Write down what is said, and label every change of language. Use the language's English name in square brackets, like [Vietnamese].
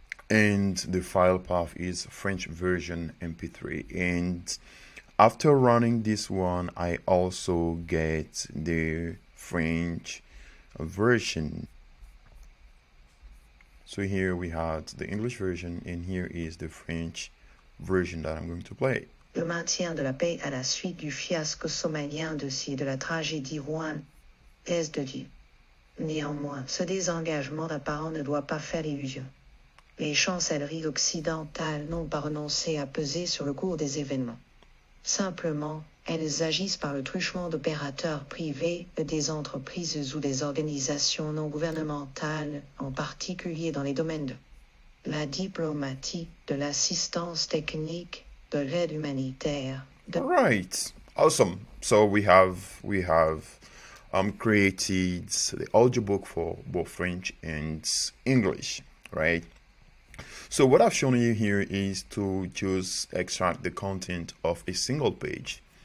[English] And the file path is French version MP3, and after running this one, I also get the French version. So here we had the English version, and here is the French version that I'm going to play. [French] Le maintien de la paix à la suite du fiasco somalien de ci de la tragédie Rouen est de Dieu. Néanmoins, ce désengagement apparent ne doit pas faire illusion. Les chancelleries occidentales n'ont pas renoncé à peser sur le cours des événements. Simplement, elles agissent par le truchement d'opérateurs privés, des entreprises ou des organisations non gouvernementales, en particulier dans les domaines de la diplomatie, de l'assistance technique, de l'aide humanitaire. [English] Right. Awesome. So we have created the audiobook for both French and English, right? So what I've shown you here is to just extract the content of a single page.